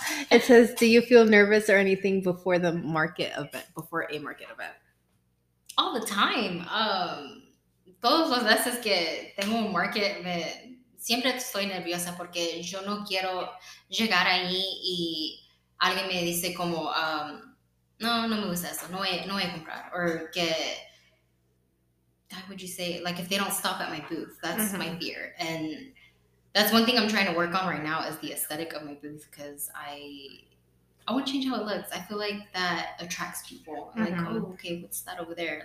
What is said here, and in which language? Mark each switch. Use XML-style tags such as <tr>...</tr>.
<en>It says, do you feel nervous or anything before the market event, before a market event? All the time.</en> <es>Todos los meses que tengo un market event, siempre estoy nerviosa porque yo no quiero llegar ahí y alguien me dice como, no me gusta eso, no voy a comprar.</es> <en>Or que, how would you say, like if they don't stop at my booth, that's mm-hmm. my fear. And that's one thing I'm trying to work on right now is the aesthetic of my booth because I want to change how it looks. I feel like that attracts people. Mm-hmm. Like, oh, okay, what's that over there?</en>